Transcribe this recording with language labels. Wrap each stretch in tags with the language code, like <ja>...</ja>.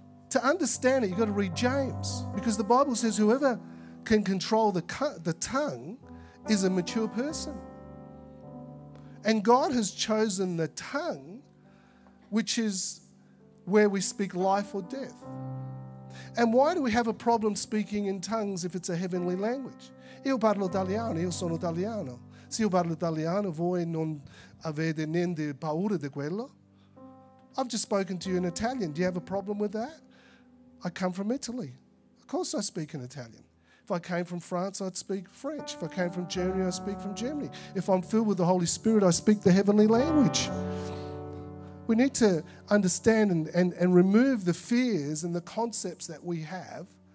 <en>To understand it, you've got to read James, because the Bible says whoever can control the tongue is a mature person. And God has chosen the tongue, which is where we speak life or death. And why do we have a problem speaking in tongues if it's a heavenly language?</en> <it>Io parlo italiano, io sono italiano. Se io parlo italiano, voi non avete niente paura di quello.</it> <en>I've just spoken to you in Italian. Do you have a problem with that? I come from Italy. Of course I speak in Italian. If I came from France, I'd speak French. If I came from Germany, I'd speak from Germany. If I'm filled with the Holy Spirit, I speak the heavenly language. We need to understand and remove the fears and the concepts that we have.</en>